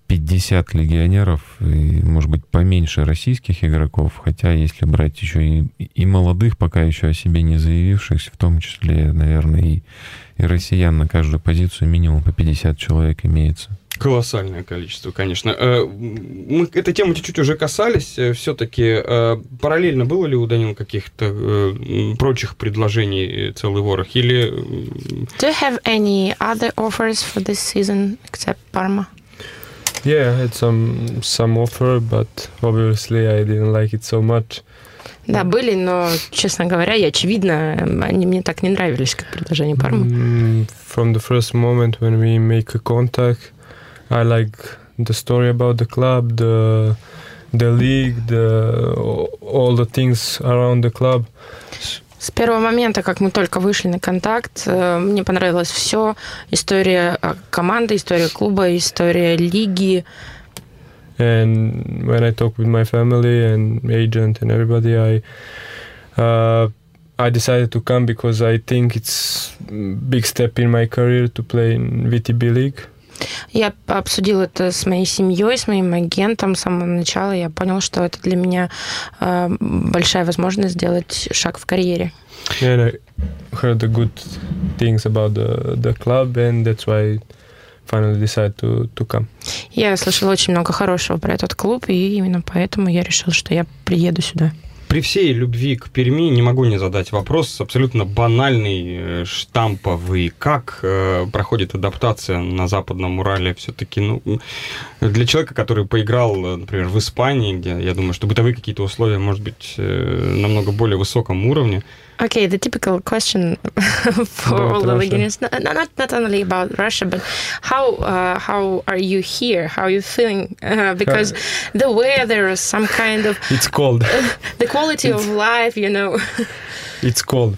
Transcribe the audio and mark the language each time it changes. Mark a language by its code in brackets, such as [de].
[ru] 50 легионеров, и, может быть, поменьше российских игроков, хотя если брать еще и молодых, пока еще о себе не заявившихся, в том числе, наверное, и россиян на каждую позицию минимум по 50 человек имеется. Колоссальное количество, конечно. Мы эту тему чуть-чуть уже касались. Все-таки параллельно было ли у Данила каких-то прочих предложений целый ворох? Или... [en] Do you have any other offers for this season, except Parma? Yeah, I had some offer, but obviously I didn't like it so much. [ru] Да, были, но, честно говоря, и очевидно, они мне так не нравились, как предложение Парма. [en] From the first moment when we make a contact, I like the story about the club, the league, all the things around the club. [ru] С первого момента, как мы только вышли на контакт, мне понравилось все. История команды, история клуба, история лиги. [en] And when I talk with my family and agent and everybody, I decided to come because I think it's big step in my career to play in VTB league. [ru] Я обсудил это с моей семьей, с моим агентом с самого начала. Я понял, что это для меня большая возможность сделать шаг в карьере. [en] And I heard the good things about the club, and that's why I finally decided to come. [ru] Я слышал очень много хорошего про этот клуб, и именно поэтому я решил, что я приеду сюда. При всей любви к Перми не могу не задать вопрос, абсолютно банальный, штамповый. Как проходит адаптация на Западном Урале все-таки? Ну, для человека, который поиграл, например, в Испании, где, я думаю, что бытовые какие-то условия, может быть, намного более высоком уровне. [en] Okay, the typical question for all the beginners, not only about Russia, but how are you here? How are you feeling? Because the weather is some kind of... It's cold. The quality of life, you know. It's cold.